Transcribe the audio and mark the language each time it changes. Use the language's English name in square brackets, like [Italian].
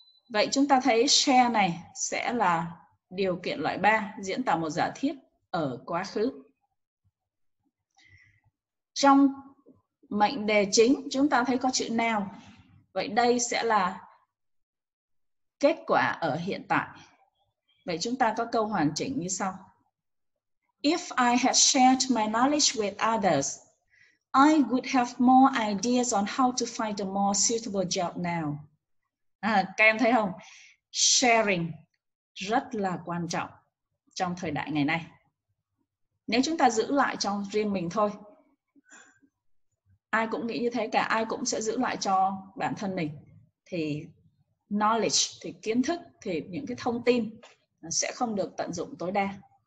[Vietnamese] Vậy chúng ta thấy share này sẽ là điều kiện loại 3, diễn tả một giả thiết ở quá khứ. Trong mệnh đề chính chúng ta thấy có chữ now. Vậy đây sẽ là kết quả ở hiện tại. Vậy chúng ta có câu hoàn chỉnh như sau. [English] If I had shared my knowledge with others, I would have more ideas on how to find a more suitable job now. [Vietnamese] À, các em thấy không? Sharing rất là quan trọng trong thời đại ngày nay. Nếu chúng ta giữ lại cho riêng mình thôi, ai cũng nghĩ như thế cả, ai cũng sẽ giữ lại cho bản thân mình, thì knowledge, thì kiến thức, thì những cái thông tin sẽ không được tận dụng tối đa.